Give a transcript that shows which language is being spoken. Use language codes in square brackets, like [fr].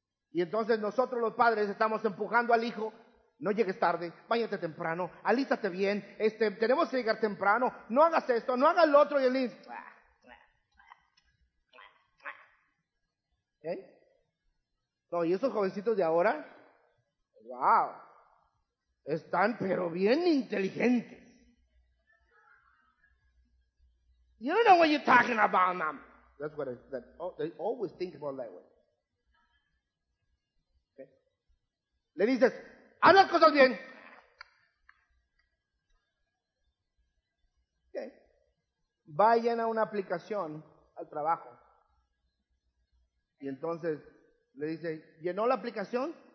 [es] Y entonces nosotros los padres estamos empujando al hijo. No llegues tarde, váyate temprano, alístate bien, tenemos que llegar temprano, no hagas esto, no hagas lo otro. Y el niño, ¿eh? No, y esos jovencitos de ahora, wow, están pero bien inteligentes. [en] You don't know what you're talking about, mom. That's what they always think about that way. ¿Okay? [es] Le dices, haz las cosas bien. ¿Okay? Vayan a una aplicación al trabajo. Y entonces le dice, ¿llenó la aplicación?